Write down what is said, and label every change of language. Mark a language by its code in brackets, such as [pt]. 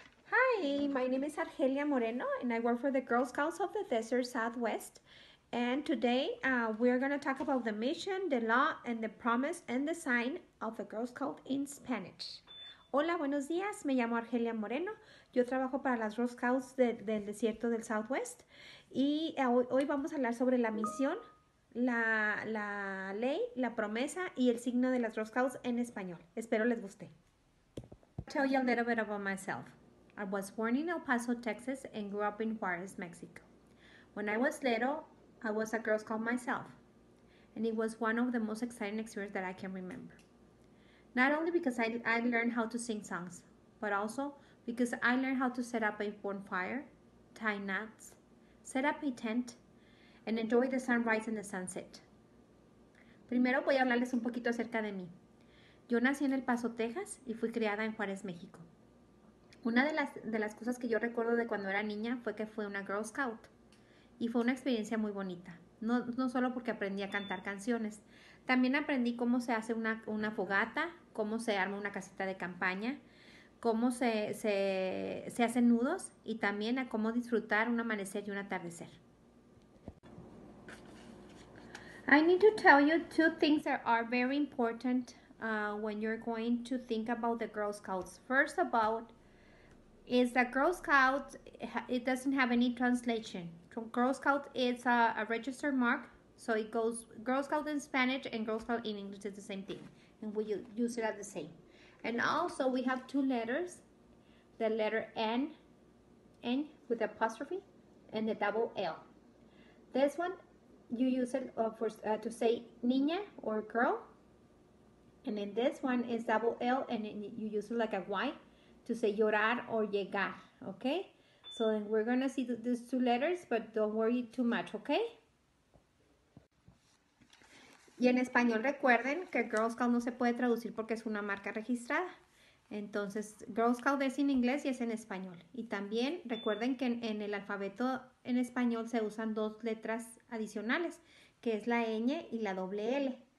[en] Hi, my name is Argelia Moreno, and I work for the Girl Scouts of the Desert Southwest. And today, we're going to talk about the mission, the law, and the promise and the sign of the Girl Scout in Spanish. [es] Hola, buenos días. Me llamo Argelia Moreno. Yo trabajo para las Girl Scouts del desierto del Southwest. Y hoy vamos a hablar sobre la misión, la ley, la promesa y el signo de las Girl Scouts en español. Espero les guste. [en] Tell you a little bit about myself. I was born in El Paso, Texas, and grew up in Juarez, Mexico. When I was little, I was a Girl Scout myself, and it was one of the most exciting experiences that I can remember. Not only because I learned how to sing songs, but also because I learned how to set up a bonfire, tie knots, set up a tent, and enjoy the sunrise and the sunset. [es] Primero voy a hablarles un poquito acerca de mí. Yo nací en El Paso, Texas, y fui criada en Juarez, México. Una de las cosas que yo recuerdo de cuando era niña fue que fui una Girl Scout y fue una experiencia muy bonita. No solo porque aprendí a cantar canciones, también aprendí cómo se hace una fogata, cómo se arma una casita de campaña, cómo se hacen nudos y también a cómo disfrutar un amanecer y un atardecer. [en] I need to tell you two things that are very important when you're going to think about the Girl Scouts. First about is that Girl Scout, it doesn't have any translation. Girl Scout is a registered mark, so it goes Girl Scout in Spanish and Girl Scout in English is the same thing, and we use it as the same. And also we have two letters, the letter N with apostrophe, and the double L. This one, you use it to say niña or girl, and then this one is double L, and then you use it like a Y, to say llorar or llegar, okay? So then we're gonna see these two letters, but don't worry too much, okay? [es] Y en español recuerden que Girl Scout no se puede traducir porque es una marca registrada. Entonces, Girl Scout es en inglés y es en español. Y también recuerden que en el alfabeto en español se usan dos letras adicionales, que es la ñ y la doble L.